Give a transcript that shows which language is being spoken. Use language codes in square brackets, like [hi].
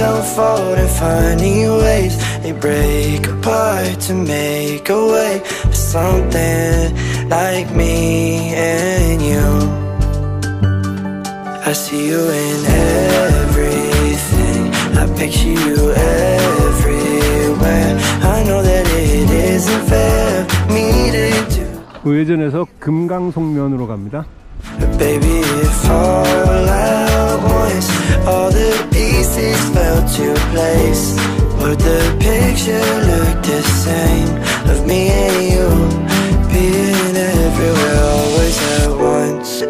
[en] Unfold and finding ways, they break apart to make a way. Something like me and you. I see you in everything. I picture you everywhere. I know that it isn't fair. Me to do. [ko] 우회전에서 금강송면으로 갑니다. [en] Baby, if all I want, all the pieces fell to place, would the picture look the same of me and you? Being everywhere, always at once.